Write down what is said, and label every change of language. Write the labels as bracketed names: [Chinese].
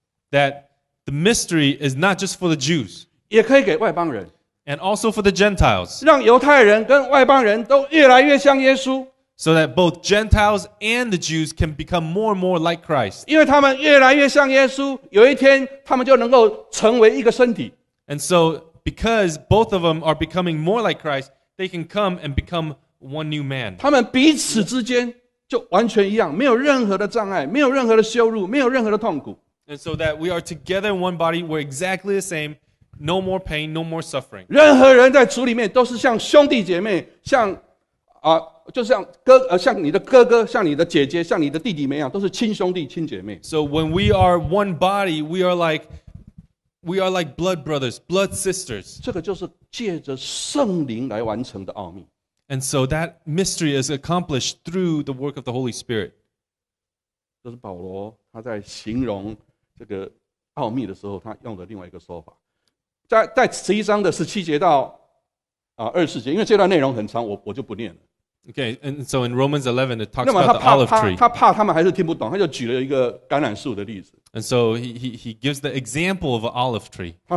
[English] that the mystery is not just for the Jews, [Chinese] 也可以给外邦人, [English] and also for the Gentiles, [Chinese] 让犹太人跟外邦人都越来越像耶稣, [English] so that both Gentiles and the Jews can become more and more like Christ. [Chinese] 因为他们越来越像耶稣, 有一天他们就能够成为一个身体, [English] and so because both of them are becoming more like Christ, they can come and become one new man. [Chinese] 他们彼此之间, 就完全一样, 没有任何的障碍, 没有任何的羞辱, 没有任何的痛苦。 [English] And so that we are together in one body, we're exactly the same, no more pain, no more suffering. [Chinese] 任何人在主里面都是像兄弟姐妹, 像, 就像哥, 像你的哥哥, 像你的姐姐, 像你的弟弟们一样, 都是亲兄弟, 亲姐妹。 [English] So when we are one body, we are like blood brothers, blood sisters. [Chinese] 这个就是借着圣灵来完成的奥秘。 [English] And so that mystery is accomplished through the work of the Holy Spirit. [Chinese] 这是保罗他在形容这个奥秘的时候，他用的另外一个说法。在十一章的十七节到二十节，因为这段内容很长，我就不念了。 [English] Okay, and so in Romans 11, it talks about the olive tree. [Chinese] 他怕他们还是听不懂，他就举了一个橄榄树的例子。 [English] And so he gives the example of an olive tree.